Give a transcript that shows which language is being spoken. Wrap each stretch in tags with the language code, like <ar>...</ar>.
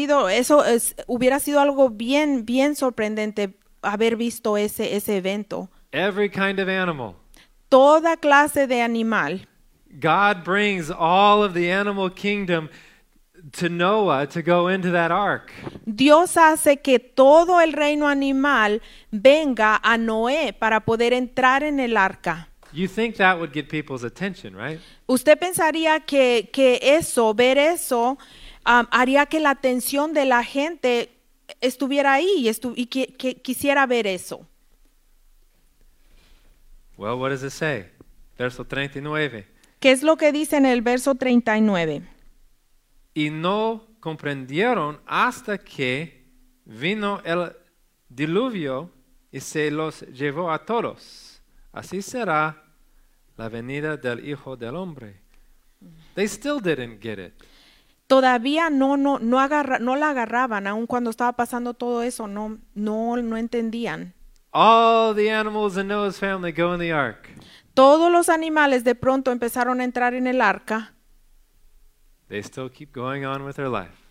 <es>Eso hubiera sido algo bien, bien sorprendente haber visto ese evento.</es> <en>Every kind of animal.</en> <es>Toda clase de animal.</es> <en>God brings all of the animal kingdom to Noah to go into that ark.</en> <es>Dios hace que todo el reino animal venga a Noé para poder entrar en el arca.</es> <en>You think that would get people's attention, right?</en> <es>Usted pensaría que eso, ver eso, haría que la atención de la gente estuviera ahí y que quisiera ver eso.</es> <en>Well, what does it say?</en> <es>Verso 39. ¿Qué es lo que dice en el verso 39? Y no comprendieron hasta que vino el diluvio y se los llevó a todos. Así será la venida del Hijo del Hombre.</es> <en>They still didn't get it.</en> <es>Todavía no la agarraban, aun cuando estaba pasando todo eso, no entendían.</es> <en>All the animals in Noah's family go in the ark.</en> <es>Todos los animales de pronto empezaron a entrar en el arca.</es> <en>They still keep going on with their life.</en>